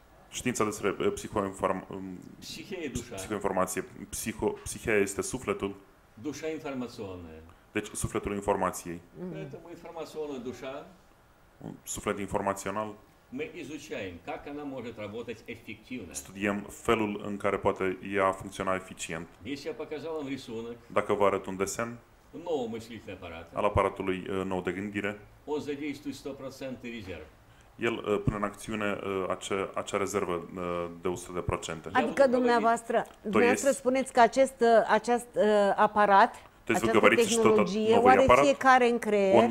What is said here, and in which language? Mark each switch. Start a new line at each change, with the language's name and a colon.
Romanian: Știința despre psihoinformație. Psihia este sufletul.
Russian: Душа информационная.
Romanian: Deci sufletul informației.
Russian: Поэтому информационная душа.
Romanian: Suflet informațional.
Russian: Мы изучаем, как она может работать эффективно.
Romanian: Studiem felul în care poate ea funcționa eficient.
Russian: Если я показал вам рисунок.
Romanian: Dacă vă arăt un desen.
Russian: Нового мыслительного аппарата.
Romanian: Al aparatului nou de gândire.
Russian: Он задействует 100% резерв.
Romanian: El pune în acțiune acea rezervă de 100%. Adică dumneavoastră spuneți că acest aparat, această tehnologie, oare fiecare în creier,